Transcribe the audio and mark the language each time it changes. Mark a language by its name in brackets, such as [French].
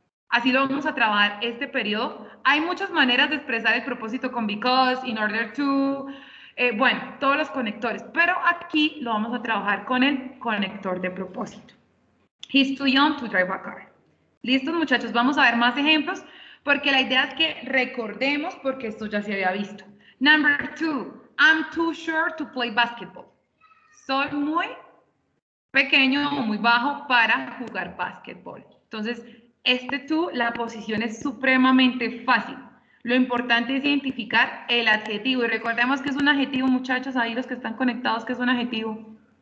[Spanish] Así lo vamos a trabajar este periodo. Hay muchas maneras de expresar el propósito con [English] because, in order to, [Spanish] bueno, todos los conectores. Pero aquí lo vamos a trabajar con el conector de propósito. [English] He's too young to drive a car. [Spanish] ¿Listos, muchachos? Vamos a ver más ejemplos porque la idea es que recordemos porque esto ya se había visto. [English] Number two, I'm too short to play basketball. [Spanish] Soy muy pequeño o muy bajo para jugar basketball. Entonces, este tú, la posición es supremamente fácil. Lo importante es identificar el adjetivo. Y recordemos que es un adjetivo, muchachos, ahí los que están conectados, ¿qué es un adjetivo?